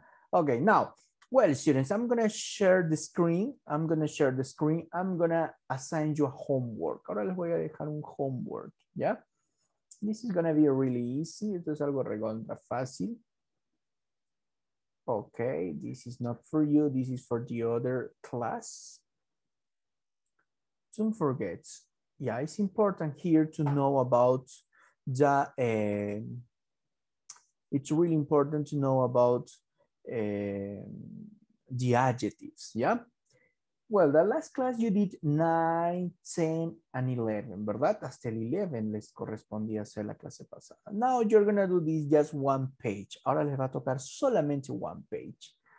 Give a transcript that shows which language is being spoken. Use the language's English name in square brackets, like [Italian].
[English] Ok, now, well, students, I'm gonna share the screen. I'm gonna assign you a homework. [Spanish] Ahora les voy a dejar un homework, ¿ya? [English] This is gonna be really easy. [Spanish] Esto es algo recontra fácil. [English] Okay, this is not for you. This is for the other class. Don't forget. Yeah, it's important here to know about the. It's really important to know about the adjectives. Yeah. Well, the last class you did 9, 10, and 11, ¿verdad? [Spanish] Hasta el 11 les correspondía hacer la clase pasada. [English] Now you're going to do this just one page. [Spanish] Ahora les va a tocar solamente [English] one page.